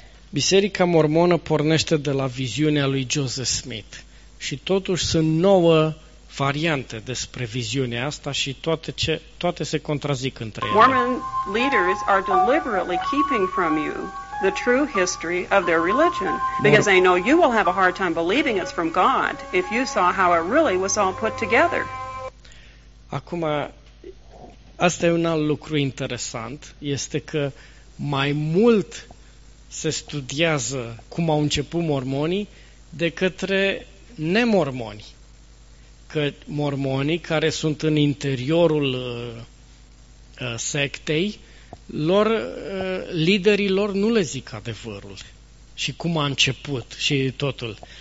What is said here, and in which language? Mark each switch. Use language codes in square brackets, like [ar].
[ro] Biserica mormonă pornește de la viziunea lui Joseph Smith și totuși sunt 9 variante despre viziunea asta și toate se contrazic între ele. [en] Mormon leaders are deliberately keeping from you the true history of their religion because they know you will have a hard time believing it's from God if you saw how it really was all put together. [ro] Acum asta e un alt lucru interesant, este că mai mult se studiază cum au început mormonii de către nemormoni. Că mormonii care sunt în interiorul sectei, lor, liderii lor nu le zic adevărul și cum a început și totul.